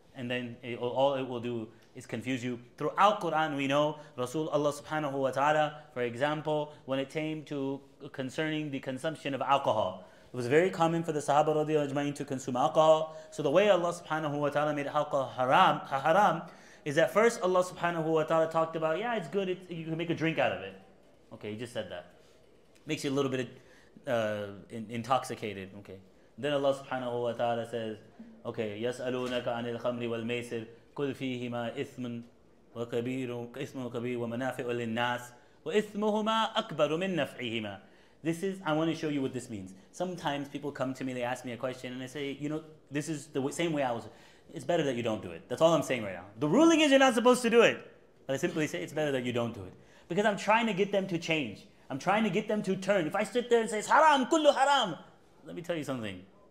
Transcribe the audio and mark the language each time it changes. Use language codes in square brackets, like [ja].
[en] And then all it will do is confuse you. Throughout Quran, we know Rasul Allah subhanahu wa ta'ala, for example, when it came to concerning the consumption of alcohol, it was very common for the Sahaba radiallahu anhu to consume alcohol. So the way Allah subhanahu wa ta'ala made alcohol haram is that first Allah subhanahu wa ta'ala talked about, yeah, it's good, you can make a drink out of it. Okay, you just said that. Makes you a little bit intoxicated. Okay. Then Allah subhanahu wa ta'ala says, okay, [ar] يَسْأَلُونَكَ عَنِ الْخَمْرِ وَالْمَيْسِرِ قُلْ فِيهِمَا إِثْمٌ وَكَبِيرٌ كَبِيرٌ وَمَنَافِعُ لِلنَّاسِ وَإِثْمُهُمَا أَكْبَرُ مِنْ نَفْعِهِمَا. [en] This is, I want to show you what this means. Sometimes people come to me, they ask me a question, and I say, you know, this is the same way I was. It's better that you don't do it. That's all I'm saying right now. The ruling is you're not supposed to do it. But I simply say, it's better that you don't do it. Because I'm trying to get them to change. I'm trying to get them to turn. If I sit there and say, it's haram, [ar] kullu haram. [en] Let me tell you something.